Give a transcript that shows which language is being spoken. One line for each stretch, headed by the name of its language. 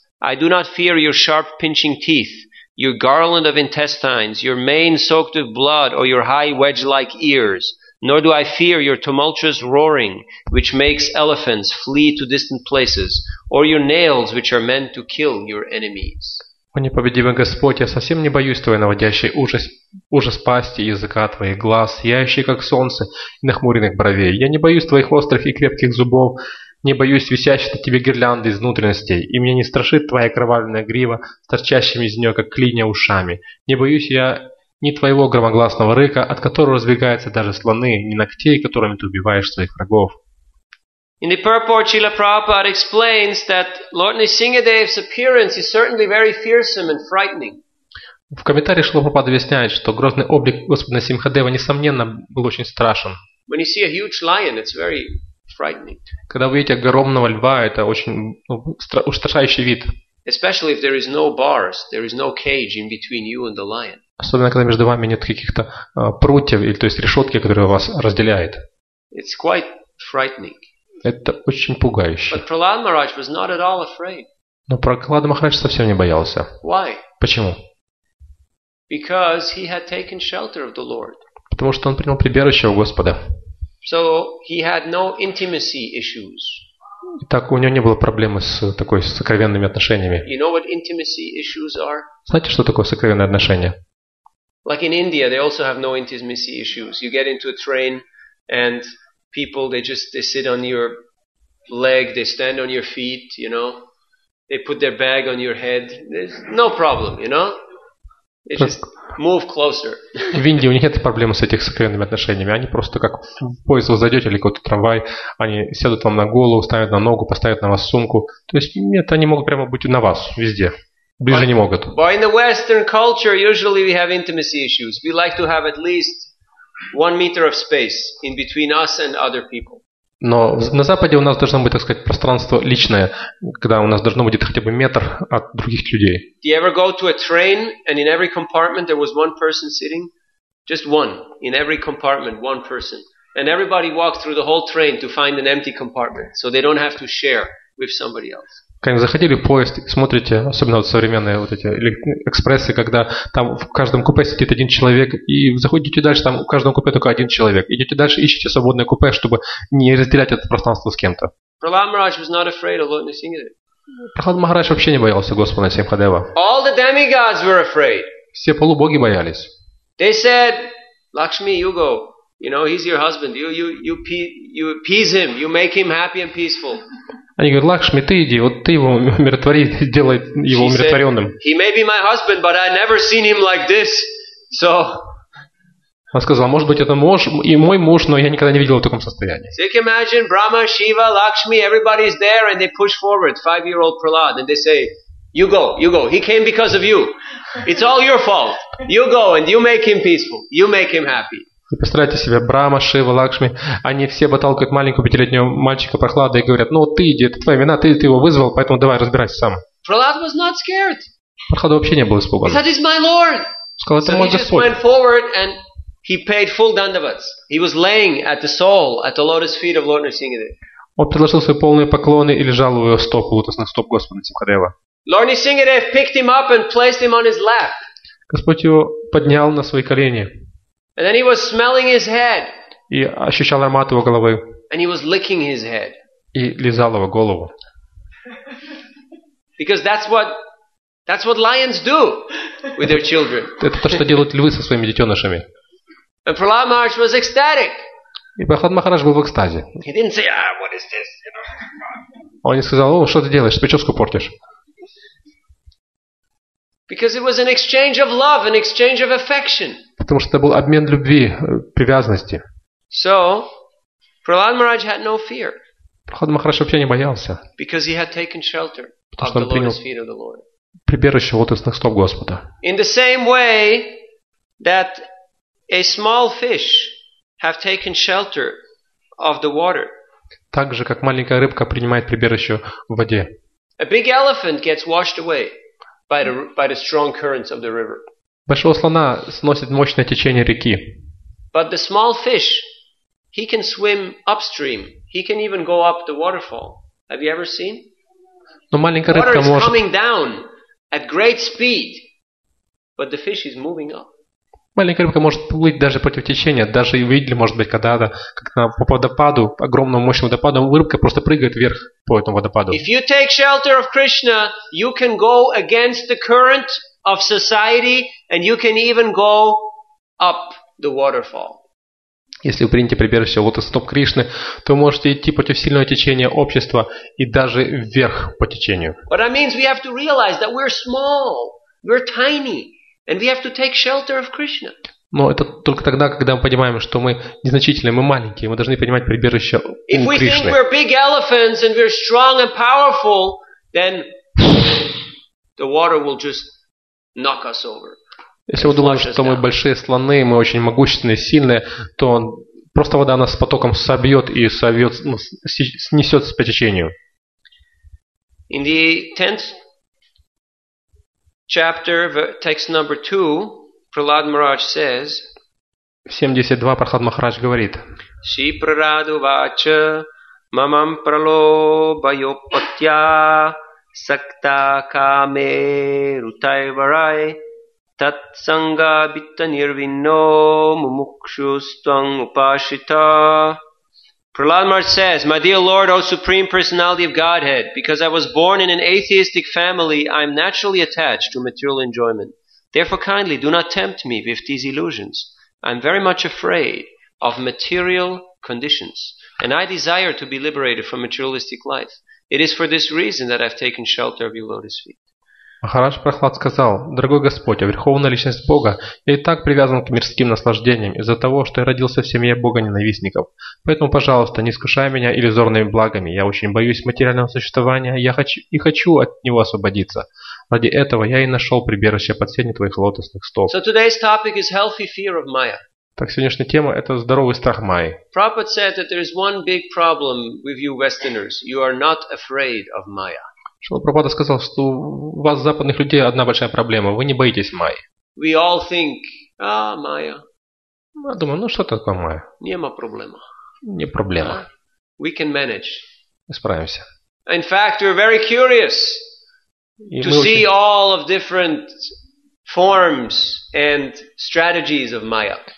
English: I do not fear your sharp pinching teeth, your garland of intestines, your mane soaked with blood or your high wedge-like ears, nor do I fear your tumultuous roaring, which makes elephants flee to distant places, or your nails, which are meant to kill your enemies.
Russian: О непобедимый Господь, я совсем не боюсь твоей наводящей ужас пасти, языка твоих глаз, сияющий как солнце и нахмуренных бровей. Я не боюсь твоих острых и крепких зубов, не боюсь висящих на тебе гирлянды из внутренностей, и меня не страшит твоя кровавленная грива с торчащими из нее, как клинья, ушами. Не боюсь я ни твоего громогласного рыка, от которого разбегаются даже слоны, ни ногтей, которыми ты убиваешь своих врагов.
English: In the purport, Srila Prabhupada explains that Lord Nrisimhadev's appearance is certainly very fearsome and frightening.
Russian: В комментарии Шрила Прабхупада объясняет, что грозный облик Господа Симхадева, несомненно, был очень страшен.
English: When you see a huge lion, it's very frightening.
Russian: Когда вы видите огромного льва, это очень устрашающий вид.
English: Especially if there is no bars, there is no cage in between you and the lion.
Russian: Особенно когда между вами нет каких-то прутьев или то есть решетки, которая вас разделяет.
English: It's quite frightening.
Russian: Это очень пугающе.
English: But Prahlad Maharaj was not at all afraid.
Russian: Но Прахлада Махарадж совсем не боялся.
English: Why?
Russian: Почему?
English: Because he had taken shelter of the Lord.
Russian: Потому что он принял прибежище у Господа.
English: So he had no intimacy issues.
Russian: Так у него не было проблемы с такой сокровенными отношениями.
English: You know what intimacy issues are?
Russian: Знаете, что такое сокровенные отношения?
English: Like in India, they also have no intimacy issues. You get into a train, and people they sit on your leg, they stand on your feet, you know, they put their bag on your head. There's no problem, you know. They just move closer.
Russian: В Индии у них нет проблем с этими сокровенными отношениями. Они просто как в поезд вы зайдете или какой-то трамвай, они сядут вам на голову, ставят на ногу, поставят на вас сумку. То есть нет, они могут прямо быть на вас везде. Ближе не могут.
English: But in the Western culture, usually we have intimacy issues. We like to have at least 1 meter of space in between us and other people.
Russian: Но на Западе у нас должно быть, так сказать, пространство личное, когда у нас должно быть где-то хотя бы метр от других людей.
English: Do you ever go to a train and in every compartment there was one person sitting? Just one. In every compartment, one person. And everybody walked through the whole train to find an empty compartment, so they don't have to share with somebody else.
Russian: Когда заходили в поезд, смотрите, особенно вот современные вот эти экспрессы, когда там в каждом купе сидит один человек, и заходите дальше, там в каждом купе только один человек. Идете дальше, ищите свободное купе, чтобы не разделять это пространство с кем-то.
English: Prahlad Maharaj was not afraid of Lord Nisimhadeva.
Russian: Прахлад Махарадж вообще не боялся Господа Симхадева.
English: All the demigods were afraid.
Russian: Все полубоги боялись.
English: They said, Lakshmi, you go. You know, he's your husband. You appease him. You make him happy and peaceful.
Russian: Они говорят, Лакшми, ты иди, вот ты его умиротвори, сделай его умиротворенным.
English: He may be my husband, but I've never seen him like this. So.
Russian: Он сказал, может быть, это муж и мой муж, но я никогда не видел его в таком состоянии.
English: So you can imagine Brahma, Shiva, Lakshmi, everybody is there, and they push forward 5-year-old Prahlad, and they say, "You go, you go. He came because of you. It's all your fault. You go, and you make him peaceful. You make him happy."
Russian: И представляете себе, Брама, Шива, Лакшми, они все баталкают маленького 5-летнего мальчика Прахлада и говорят, ну ты иди, это твоя вина, ты его вызвал, поэтому давай разбирайся сам.
English: Prahlad was not scared.
Russian: Прахлада вообще не был испуган.
English: He said, "It's my Lord."
Russian: Сказал, это
English: so
Russian: мой
English: he
Russian: Господь.
English: He just went forward and he paid full dandavats. He was laying at the soul, at the lotus feet of Lord Nisimhadeva.
Russian: Он предложил свои полные поклоны и лежал у его стоп, лотосных стоп Господа Симхадева.
English: Lord Nisimhadeva picked him up and placed him on his lap.
Russian: Господь его поднял на свои колени.
English: And then he was smelling his head.
Russian: И ощущал аромат его головы.
English: And he was licking his head.
Russian: И лизал его голову.
English: Because that's what lions do with their children.
Russian: Это то, что делают львы со своими детенышами.
English: And Prahlad Maharaj was ecstatic.
Russian: И Прахлад Махарадж был в экстазе.
English: He didn't say, "Ah, what is this?" You know.
Russian: Он не сказал, "О, что ты делаешь? Прическу портишь?"
English: Because it was an exchange of love, an exchange of affection.
Russian: Потому что это был обмен любви, привязанности.
English: So, Prahlad Maharaj had no fear.
Russian: Прахлад Махарадж вообще не боялся.
English: Because he had taken shelter of the lotus feet of the Lord.
Russian: Прибежище лотосных стоп Господа.
English: In the same way that a small fish have taken shelter of the water.
Russian: Так же, как маленькая рыбка принимает прибежище в воде.
English: A big elephant gets washed away. By the strong currents of the river.
Russian: Большого слона сносит мощное течение реки.
English: But the small fish, he can swim upstream. He can even go up the waterfall. Have you ever seen?
Russian: Но маленькая рыбка может.
English: Water is coming down at great speed, but the fish is moving up.
Russian: Маленькая рыбка может плыть даже против течения, даже и видели, может быть, когда-то, как на водопаду, огромному мощному водопаду, рыбка просто прыгает вверх по этому водопаду.
English: If you take shelter of Krishna, you can go against the current of society, and you can even go up the waterfall.
Russian: Если вы примете прибежище лотос-стоп Кришны, то можете идти против сильного течения общества и даже вверх по течению.
English: But that means we have to realize that we're small, we're tiny. And we have to take shelter of Krishna.
Russian: Но это только тогда, когда мы понимаем, что мы незначительные, мы маленькие, мы должны понимать прибежище у Кришны.
English: If we think we're big elephants and we're strong and powerful, then the water will just knock us over.
Russian: Если вы думаете, что мы большие слоны, мы очень могущественные, сильные, то просто вода нас потоком собьет и совьет, снесет по течению.
English: In the 10th chapter, text number 2, Prahlad Maharaj says,
Russian: 72 Прахлад Махарадж говорит,
Sanskrit: Си прараду вача мамам пралобайо патья сакта каме рутай варай тат санга битта нирвинно мумукшу стванг упашита.
English: Prahlad Maharaj says, My dear Lord, O Supreme Personality of Godhead, because I was born in an atheistic family, I am naturally attached to material enjoyment. Therefore, kindly, do not tempt me with these illusions. I am very much afraid of material conditions, and I desire to be liberated from materialistic life. It is for this reason that I have taken shelter of your lotus feet.
Russian: Махарадж Прахлад сказал, «Дорогой Господь, о Верховная Личность Бога, я и так привязан к мирским наслаждениям из-за того, что я родился в семье Бога-ненавистников. Поэтому, пожалуйста, не искушай меня иллюзорными благами. Я очень боюсь материального существования и хочу от него освободиться. Ради этого я и нашел прибежище под сенью твоих лотосных стоп».
English: So today's topic is healthy fear of Maya.
Russian: Так, сегодняшняя тема – это здоровый страх Майи.
English: Prabhupada said that there is one big problem with you westerners. You are not afraid of Maya.
Russian: Шрила Прабхупада сказал, что у вас, западных людей, одна большая проблема. Вы не боитесь Майи.
English: We all think, ah, Maya.
Russian: Я думаю, ну что такое Майя?
Serbian: Нема проблема.
Russian: Не проблема.
English: We can manage.
Russian: Мы справимся.
English: In fact, we're very curious to see all of different forms and strategies of Maya.